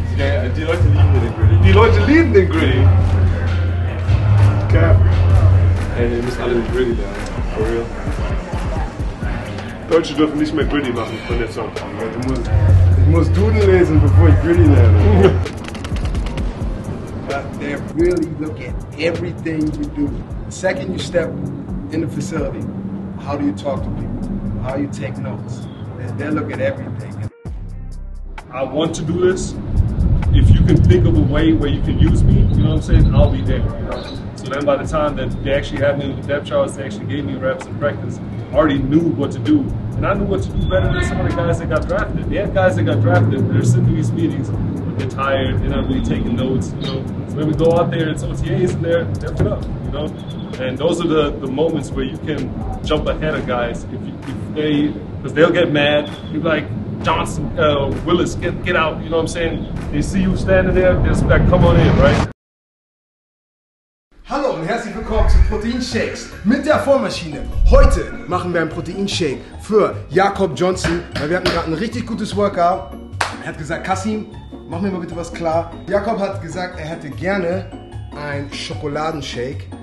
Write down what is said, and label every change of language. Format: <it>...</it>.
<de>Die Leute lieben den Gritty. Die Leute lieben den Gritty. Cap. Ey, ihr müsst alle den Gritty lernen.</de> <en>For real.</en> <de>Deutsche dürfen nicht mehr Gritty machen von der Song. Ich muss Duden lesen, bevor ich Gritty lerne.</de> <en>But they really look at everything you do. The second you step in the facility, how do you talk to people? How you take notes? They look at everything. I want to do this. If you can think of a way where you can use me, you know what I'm saying, I'll be there. So then by the time that they actually had me in the depth charts, they actually gave me reps and practice, already knew what to do. And I knew what to do better than some of the guys that got drafted. They had guys that got drafted, they're sitting in these meetings, but they're tired, they're not really taking notes, you know. So when we go out there, it's OTAs and they're stepping up, you know. And those are the moments where you can jump ahead of guys because they'll get mad. You're like, Johnson, Willis, get out, you know what I'm saying? They see you standing there, they're just like, come on in, right?</en> <de>Hallo und herzlich willkommen zu Protein Shakes mit der Vollmaschine. Heute machen wir einen Protein Shake für Jakob Johnson, weil wir hatten gerade ein richtig gutes Workout. Er hat gesagt, Kasim, mach mir mal bitte was klar. Jakob hat gesagt, er hätte gerne einen Schokoladenshake.</de>